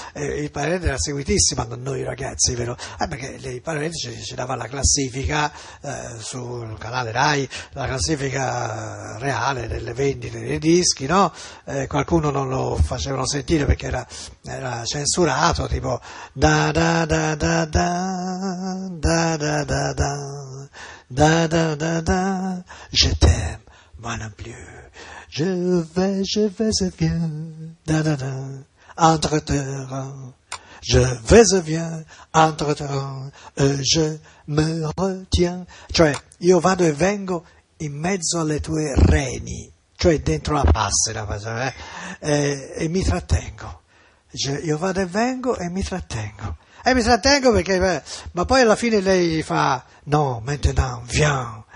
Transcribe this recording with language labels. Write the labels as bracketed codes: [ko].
[it] Hit Parade era seguitissima da noi ragazzi, vero? Perché Hit Parade ci dava la classifica sul canale Rai, la classifica reale delle vendite dei dischi, no? Qualcuno non lo facevano sentire perché era censurato, tipo da da da da da da da da da da da da da [fr] je t'aime, moi non plus. Je vais et viens, da da da, entre temps. Je vais et viens, entre temps, et je me retiens. [it] Cioè, io vado e vengo in mezzo alle tue reni, cioè dentro la passera, e mi trattengo. Io vado e vengo e mi trattengo. E mi trattengo perché, ma poi alla fine lei fa, no, [fr] maintenant, viens.